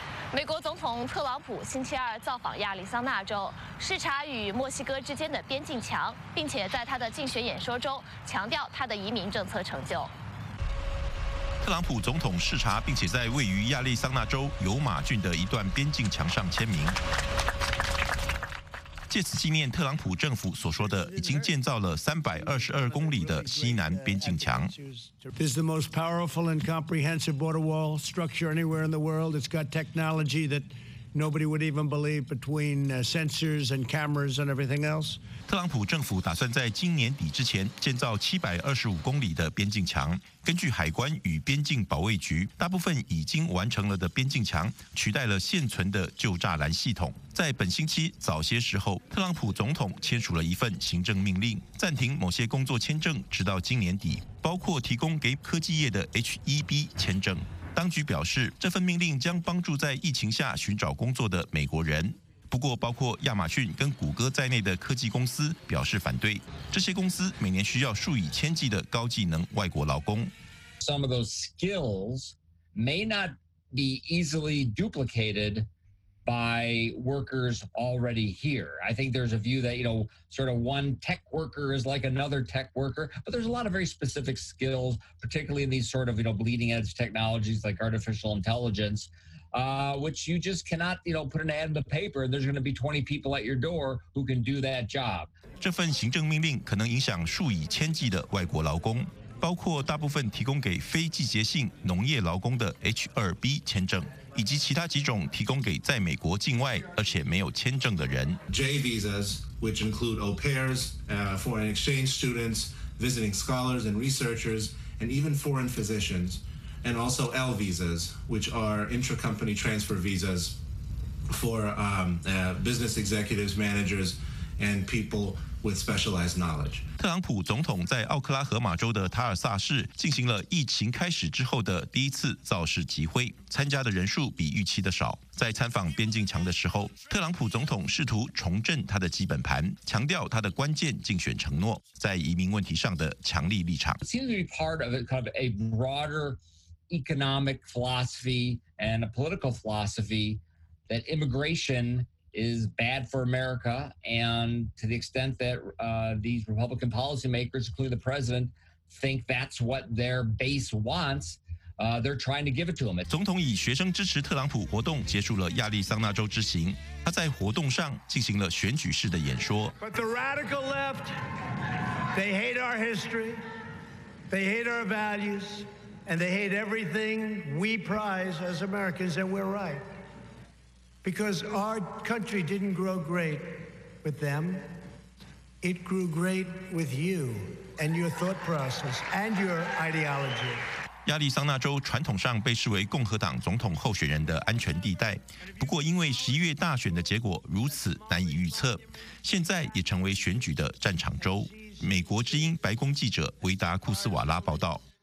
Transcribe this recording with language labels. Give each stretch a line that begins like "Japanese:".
Chinese: 美国总统特朗普星期二造访亚利桑那州，视察与墨西哥之间的边境墙，并且在他的竞选演说中强调他的移民政策成就。特朗普总统视察，并且在位于亚利桑那州尤马郡的一段边境墙上签名，借此纪念特朗普政府所说的已经建造了322公里的西南边境墙。
English: This is the most powerful and comprehensive border wall structure anywhere in the world. It's got technology that nobody would even believe between sensors and cameras and everything else.
Chinese: 特朗普政府打算在今年底之前建造725公里的边境墙。根据海关与边境保卫局，大部分已经完成了的边境墙取代了现存的旧栅栏系统。在本星期早些时候，特朗普总统签署了一份行政命令，暂停某些工作签证，直到今年底，包括提供给科技业的 H-1B 签证。当局表示，这份命令将帮助在疫情下寻找工作的美国人。不过，包括亚马逊跟谷歌在内的科技公司表示反对。这些公司每年需要数以千计的高技能外国劳工。
English: Some of those skills may not be easily duplicated by workers already here. I think there's a view that, you know, sort of one tech worker is like another tech worker, but there's a lot of very specific skills, particularly in these sort of, you know, bleeding edge technologies like artificial intelligence, which you just cannot, you know, put an ad in the paper and there's going to be 20 people at your door who can do that job.
Chinese: 这份行政命令可能影响数以千计的外国劳工，包括大部分提供给非季节性农业劳工的 H2B 签证，以及其他几种提供给在美国境外而且没有签证的人。
English: J visas, which include au pairs, foreign exchange students, visiting scholars and researchers, and even foreign physicians, and also L visas, which are intra-company transfer visas for business executives, managers, and people with specialized knowledge.
Chinese: 特朗普总统在奥克拉荷马州的塔尔萨市进行了疫情开始之后的第一次造势集会，参加的人数比预期的少。在参访边境墙的时候，特朗普总统试图重振他的基本盘，强调他的关键竞选承诺在移民问题上的强力立场。
English: It seems to be part of a kind of a broader economic philosophy and a political philosophy that immigration is bad for America, and to the extent that these Republican policymakers, including the president, think that's what their base wants, they're trying to give it to them.
Chinese: 总统以学生支持特朗普活动结束了亚利桑那州之行，他在活动上进行了选举式的演说。
English: But the radical left, they hate our history, they hate our values, and they hate everything we prize as Americans, and we're right. Because our country didn't grow great with them, it grew great with you and your thought process and your ideology.
Chinese: 亚利桑那州传统上被视为共和党总统候选人的安全地带，不过因为十一月大选的结果如此难以预测，现在也成为选举的战场州。美国之音白宫记者维达库斯瓦拉报道。